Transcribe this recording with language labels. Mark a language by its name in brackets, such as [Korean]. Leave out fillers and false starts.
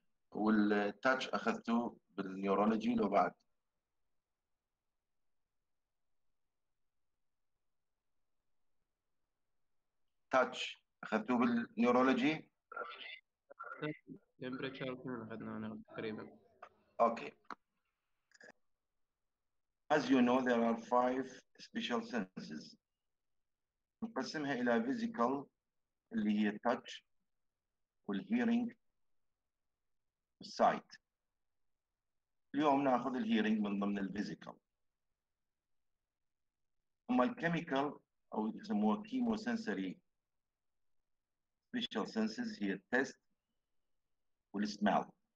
[Arabic] والتاتش اخذته بالنيورولوجي لو بعد. تاتش اخذته بالنيورولوجي؟ تمبريتشر كان اخذنا انا تقريبا. اوكي. [English] As you know, there are five special senses. [Arabic] نقسمها إلى physical اللي هي touch والhearing والsight. اليوم نأخذ الhearing من ضمن الphysical. أما الchemical أو يسموها chemosensory special senses هي taste والsmell.